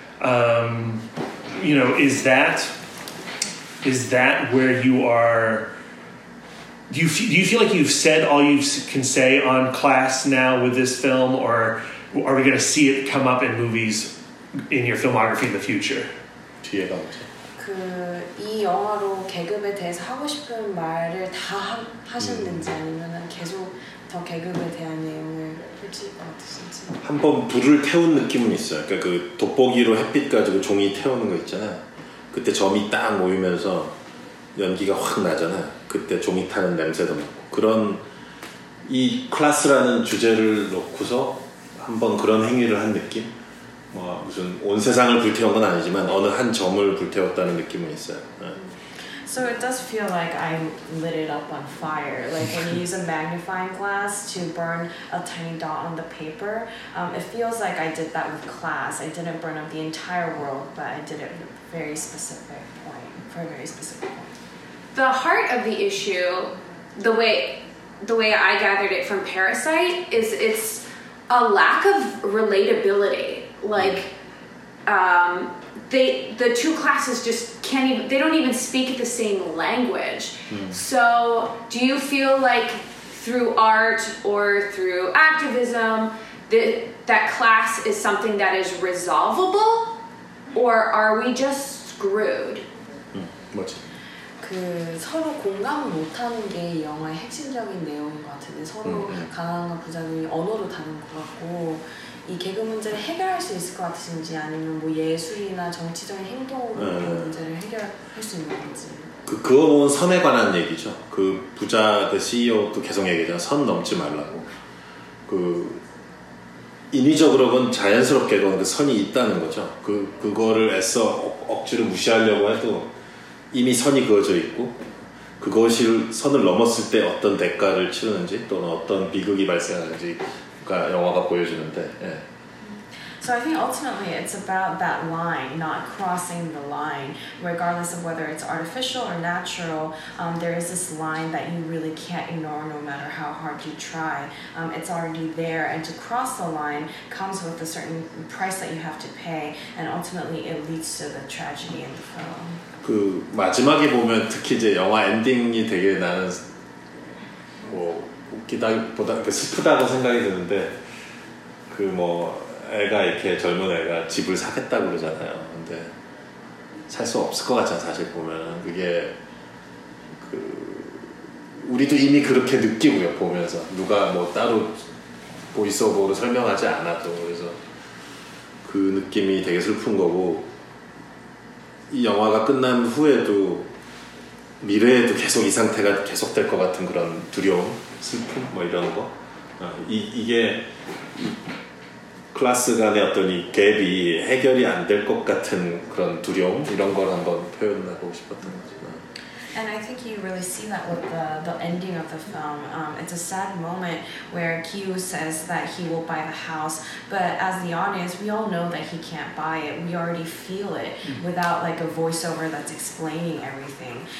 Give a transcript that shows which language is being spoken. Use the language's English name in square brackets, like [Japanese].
[English] Mm-hmm. You know, is that where you are... Do you feel like you've said all you can say on class now with this film, or are we going to see it come up in movies in your filmography in the future? [Korean] 뒤에 나오죠. 그 이 영화로 계급에 대해서 하고 싶은 말을 다 하셨는지 아니면은 계속 더 계급에 대한 내용을 펼칠 것 같으신지. 한번 불을 태운 느낌은 있어요. 그러니까 그 돋보기로 햇빛 가지고 종이 태우는 거 있잖아요. 그때 점이 딱 모이면서 연기가 확 나잖아. 그때 종이 타는 냄새도 맡고 그런 이 클래스라는 주제를 놓고서 한번 그런 행위를 한 느낌? 뭐 무슨 온 세상을 불태운 건 아니지만 어느 한 점을 불태웠다는 느낌은 있어요. [English] So it does feel like I lit it up on fire. Like when you use a magnifying glass to burn a tiny dot on the paper, it feels like I did that with class. I didn't burn up the entire world, but I did it at a very specific point, for a very specific point. The heart of the issue, the way I gathered it from Parasite, is it's a lack of relatability. Like, the two classes just can't even, they don't even speak the same language. Mm. So do you feel like through art or through activism, that class is something that is resolvable? Or are we just screwed? Mm. What? [Korean] 그 서로 공감을 못하는 게 이 영화의 핵심적인 내용인 것 같은데 서로 가난과 부자들이 언어로 다른 것 같고 이 계급 문제를 해결할 수 있을 것 같으신지 아니면 뭐 예술이나 정치적인 행동으로 이 문제를 해결할 수 있는 건지 그어놓은 선에 관한 얘기죠. 그 부자 그 CEO도 계속 얘기하잖아. 선 넘지 말라고. 그 인위적으로건 자연스럽게건 그 선이 있다는 거죠. 그거를 애써 억지로 무시하려고 해도 이미 선이 그어져 있고 그것이 선을 넘었을 때 어떤 대가를 치르는지 또는 어떤 비극이 발생하는지가 영화가 보여주는데 예. [English] So I think ultimately it's about that line, not crossing the line. Regardless of whether it's artificial or natural, there is this line that you really can't ignore no matter how hard you try. It's already there, and to cross the line comes with a certain price that you have to pay, and ultimately it leads to the tragedy in the film. [Korean] 그 마지막에 보면 특히 이제 영화 엔딩이 되게 나는 뭐 웃기다기보다 그 슬프다고 생각이 드는데 그 뭐 애가 이렇게 젊은 애가 집을 사겠다고 그러잖아요. 근데 살 수 없을 것 같잖아 사실 보면 그게 그 우리도 이미 그렇게 느끼고요 보면서 누가 뭐 따로 보이스오버로 설명하지 않아도 그래서 그 느낌이 되게 슬픈 거고 이 영화가 끝난 후에도 미래에도 계속 이 상태가 계속될 것 같은 그런 두려움, 슬픔 뭐 이런 거. 이게 클래스 간의 어떤 이 갭이 해결이 안 될 것 같은 그런 두려움 이런 걸 한번 표현하고 싶었던 거죠. [English] And I think you really see that with the ending of the film. It's a sad moment where Ki Woo says that he will buy the house, but as the audience, we all know that he can't buy it. We already feel it without like a voiceover that's explaining everything.